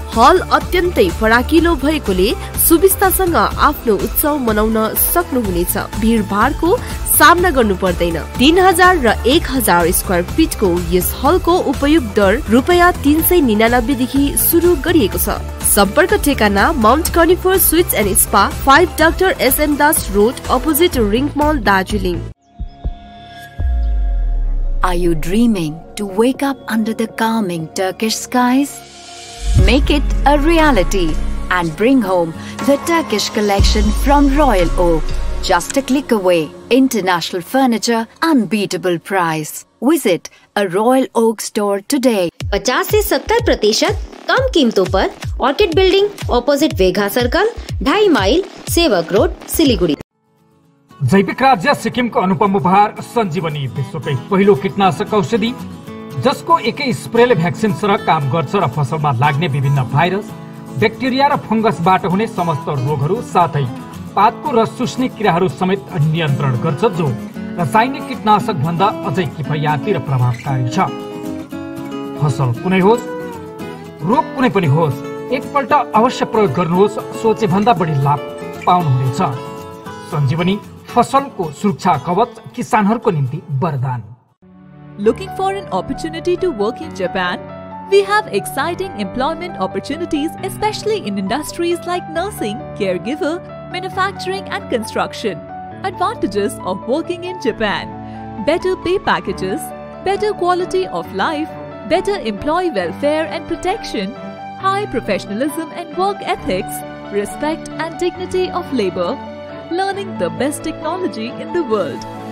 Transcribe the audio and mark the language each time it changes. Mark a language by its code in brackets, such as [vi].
[ne] हल अत्यन्तै फराकिलो भएकोले सुविस्तासँग आफ्नो उत्सव मनाउन सक्नुहुनेछ। भीड़भाड़को सामना गर्नु पर्दैन। 3,000 र 1,000 स्क्वायर फिट को यस हल को उपयोग दर ₹399 देखि सुरु गरिएको छ। सम्पर्क ठेगाना mount कनिफर sweets and spa, 5 doctor SM Das road opposite ring mall Darjeeling. [en] Are you dreaming to wake up under the coming Turkish skies? Make it a reality and bring home the Turkish collection from Royal Oak. Just a click away. International furniture, unbeatable price. Visit a Royal Oak store today. [hi] 50-70% कम कीमतों पर orchid building opposite वेघा circle 2.5 mile सेवक road Siliguri. [ne] जैविक राज्य सिक्किम को अनुपम उपहार संजीवनी विश्वकै पहिलो कीटनाशक औषधि, जसको एकै स्प्रेले भ्याक्सिन सरह काम गर्छ र फसलमा लाग्ने विभिन्न भाइरस ब्याक्टेरिया र फंगसबाट हुने समस्त रोगहरू साथै पातको रस चुस्ने किराहरू समेत नियन्त्रण गर्छ, जो रासायनिक कीटनाशक भन्दा अझै किफायती र प्रभावकारी छ। फसल कुनै होस्, रोग कुनै पनि होस्, एकपल्ट अवश्य प्रयोग गर्नुहोस्। सोचे भन्दा बढी लाभ पाउनुहुनेछ। संजीवनी फसलको सुरक्षा कवच, किसानहरूको निम्ति वरदान। [en] Looking for an opportunity to work in Japan? We have exciting employment opportunities, especially in industries like nursing, caregiver, manufacturing and construction. advantages of working in Japan. Better pay packages, better quality of life, better employee welfare and protection, high professionalism and work ethics, respect and dignity of labor, learning the best technology in the world.